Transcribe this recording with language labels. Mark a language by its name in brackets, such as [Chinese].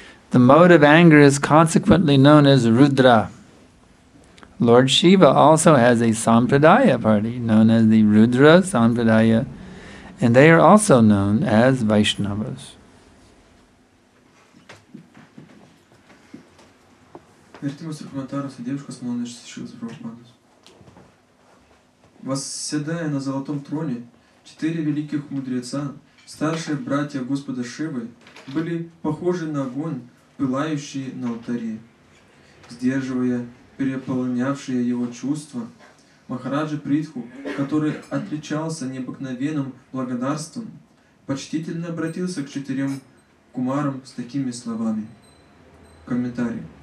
[English] The mode of anger is consequently known as Rudra. Lord Shiva also has a Sampradaya party known as the Rudra Sampradaya, and they are also known as Vaishnavas. [Lithuanian] Vertimas ir komentaras dieviškos malonės iš Šrilos Prabhupados. [Russian] Восседая на золотом троне, четыре великих мудреца, старшие братья Господа Шивы, были похожи на огонь, пылающий на алтаре. Сдерживая переполнявшие его чувства, Махараджа Притху, который отличался необыкновенным благодарством, почтительно обратился к четырем кумарам с такими словами. Комментарий.